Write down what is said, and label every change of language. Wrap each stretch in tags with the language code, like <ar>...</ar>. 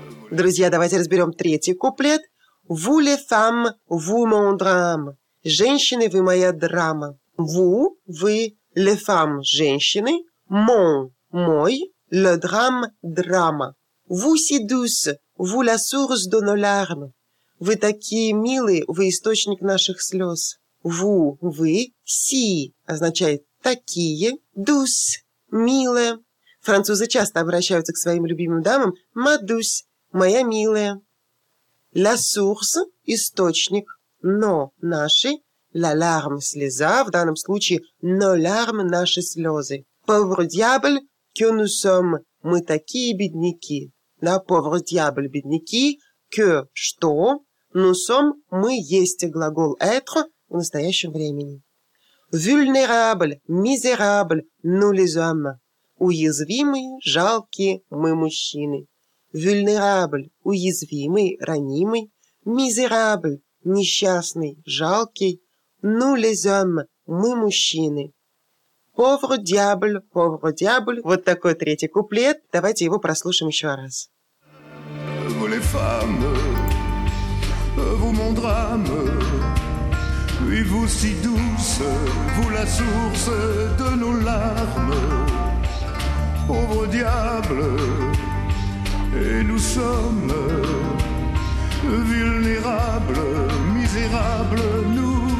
<ru>Друзья, давайте разберем третий куплет.</ru> <fr>«Vous les femmes, vous mon drame» –</fr> <ru>«Женщины, вы моя драма».</ru> <fr>«Vous» – «вы», «les femmes» – «женщины», «mon» – «мой», «le drame» – «драма». «Vous si douce, vous la source de nos larmes» –</fr> <ru>«Вы такие милые, вы источник наших слез». «Vous» – «вы», «si» – означает «такие», «douce» – «милые». Французы часто обращаются к своим любимым дамам</ru> <fr>«ma douce».</fr> <ru>«Моя милая». «La source» – «источник», «но» – «наши», La larme – слеза, в данном случае</ru> <fr>nos larmes</fr> <ru>– наши слезы.</ru> <fr>Pauvre diable, que nous sommes –</fr> <ru>мы такие бедняки. Да, pauvre diable – бедняки, que – что,</ru> <fr>nous sommes</fr> <ru>– мы есть глагол être в настоящем времени.</ru> <fr>Vulnérable – misérable – nous les hommes.</fr> <ru>Уязвимые, жалкие – мы мужчины. Vulnérable – уязвимый, ранимый. Misérable – несчастный, жалкий.</ru> <fr>Nous les hommes,</fr> <ru>мы мужчины.</ru> <fr>Pauvre diable, pauvre diable.</fr> <ru>Вот такой третий куплет. Давайте его прослушаем еще раз.</ru> <fr>Vous les femmes, vous mon drame. Oui, vous si douce, vous la source de nos larmes. Pauvre diable, et nous sommes vulnérables, misérables, nous.</fr>